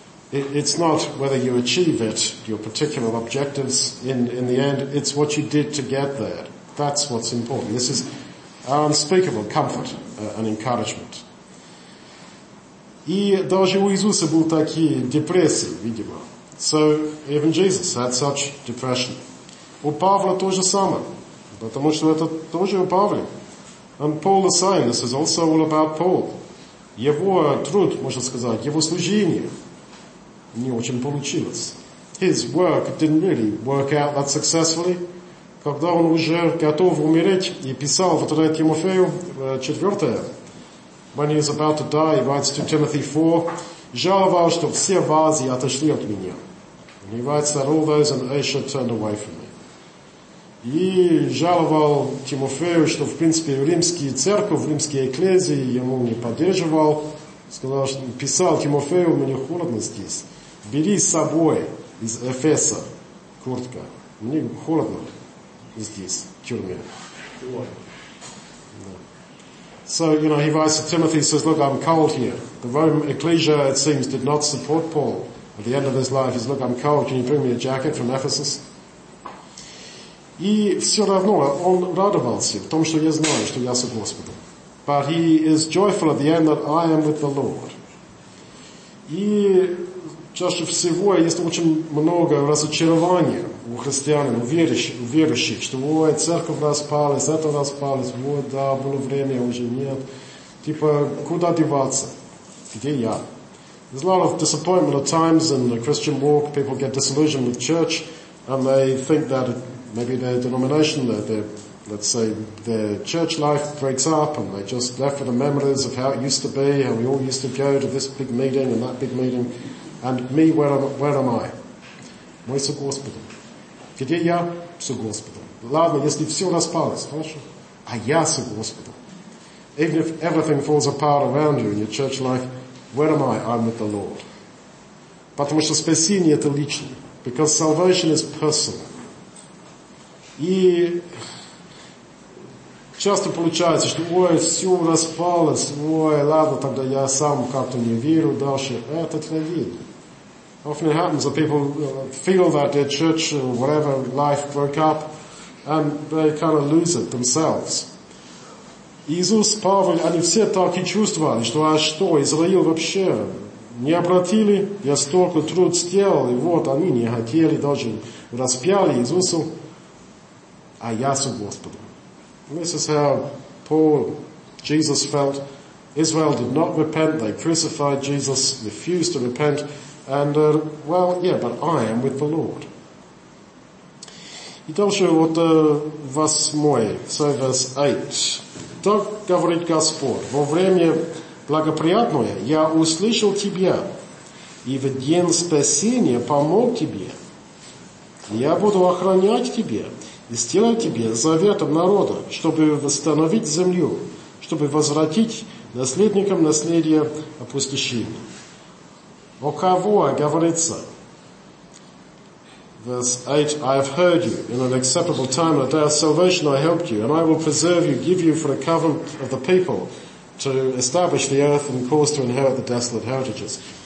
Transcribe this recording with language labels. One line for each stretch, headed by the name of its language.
English: It's not whether you achieve it, your particular objectives in the end. It's what you did to get there. That's what's important. This is unspeakable comfort and encouragement.
Russian: И даже у Иисуса был такие депрессии, видимо.
English: So even Jesus had such depression.
Russian: У Павла то же самое, потому что это тоже у Павла.
English: And Paul the same. This is also all about Paul.
Russian: Его труд, можно сказать, его служение не очень получилось.
English: His work didn't really work out that successfully.
Russian: Когда он уже готов умереть и писал в 3 Тимофею 4,
English: when he is about to die, he writes to Timothy 4,
Russian: «Жаловал, что все в Азии отошли от меня».
English: And he writes that all those in Asia turned away from me.
Russian: И жаловал Тимофею, что, в принципе, римский церковь, римские экклезии ему не поддерживал. Сказал, что писал Тимофею, мне холодно здесь. Бери с собой из Эфеса куртка. Мне холодно здесь, в тюрьме.
English: No. So, you know, he writes to Timothy, says, look, I'm cold here. The Roman ecclesia, it seems, did not support Paul at the end of his life. He says, look, I'm cold. Can you bring me a jacket from Ephesus?
Russian: И все равно он радовался в том, что я знаю, что я с Господом.
English: But he is joyful at the end that I am with the Lord.
Russian: И чаще всего есть очень много разочарования у христиан, у верующих, что ой, церковь распалась, это распалось, ой, да, было время, уже нет. Типа, куда деваться? Где я?
English: There's a lot of disappointment at times in the Christian walk. People get disillusioned with church and they think that it, maybe their denomination, their, let's say, their church life breaks up and they just left with the memories of how it used to be, how we all used to go to this big meeting and that big meeting. And me, where am I?
Russian: Мы с Господом. Где я? С Господом. Ладно, если все распалось, хорошо. А я с Господом.
English: Even if everything falls apart around you in your church life, where am I? I'm with the Lord.
Russian: Потому что спасение это личное.
English: Because salvation is personal.
Russian: И часто получается, что ой, все распалось, ой, ладно, тогда я сам как-то не верю дальше. Это трагедия.
English: Often it happens that people feel that their church or whatever life broke up and they kind of lose it themselves.
Russian: Иисус, Павел, они все так и чувствовали, что а что, Израиль вообще не обратили, я столько труд сделал, и вот они не хотели, даже распяли Иисусу. А я с Господом.
English: This is how Paul, Jesus felt, Israel did not repent, they crucified Jesus, refused to repent, and, but I am with the Lord.
Russian: И дальше вот восьмой,
English: so verse 8.
Russian: Так говорит Господь, во время благоприятное я услышал тебя, и в день спасения помог тебе. Я буду охранять тебя и сделаю тебе заветом народа, чтобы восстановить землю, чтобы возвратить наследникам наследие опустошения. О кого говорится?
English: Verse 8, I have heard you in an acceptable time, a day of salvation I helped you, and I will preserve you, give you for a covenant of the people to establish the earth and cause to inherit the desolate heritages.